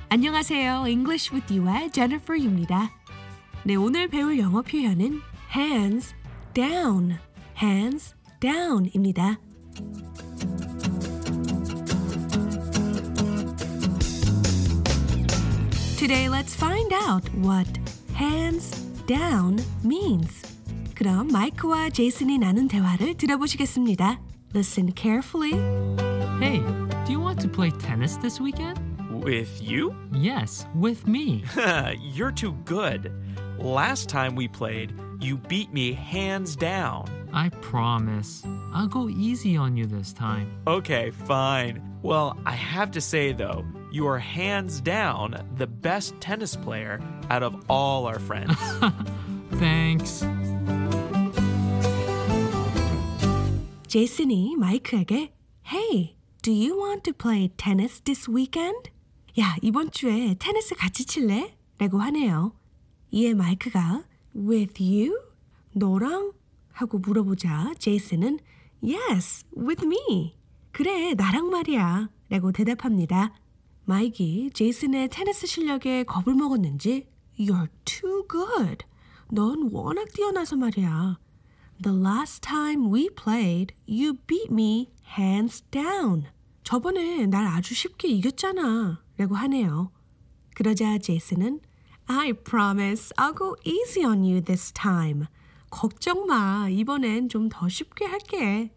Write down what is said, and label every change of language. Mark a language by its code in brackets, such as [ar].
[ko] 안녕하세요, English with You의 Jennifer Yu입니다. 네, 오늘 배울 영어 표현은 hands down, hands down입니다. [en] 'Today let's find out what hands down means. [ko] 그럼 마이크와 제이슨이 나눈 대화를 들어보시겠습니다. [en] Listen carefully. Hey, do you want to play tennis this weekend? With you? Yes, with me. You're too good. Last time we played, you beat me hands down. I promise. I'll go easy on you this time. Okay, fine. Well, I have to say, though, you are hands down the best tennis player out of all our friends. Thanks. [ko] 제이슨이 마이크에게 [en] Hey, do you want to play tennis this weekend? [ko] 야, 이번 주에 테니스 같이 칠래? 라고 하네요. 이에 마이크가 [en] With you? [ko] 너랑? 하고 물어보자 제이슨은 [en] Yes, with me. [ko] 그래, 나랑 말이야. 라고 대답합니다. 마이키, 제이슨의 테니스 실력에 겁을 먹었는지 [en] You're too good. [ko] 넌 워낙 뛰어나서 말이야. [en] The last time we played, you beat me hands down. [ko] 저번에 날 아주 쉽게 이겼잖아. 라고 하네요. 그러자 제이슨은 [en] I promise I'll go easy on you this time. [ko] 걱정 마, 이번엔 좀 더 쉽게 할게.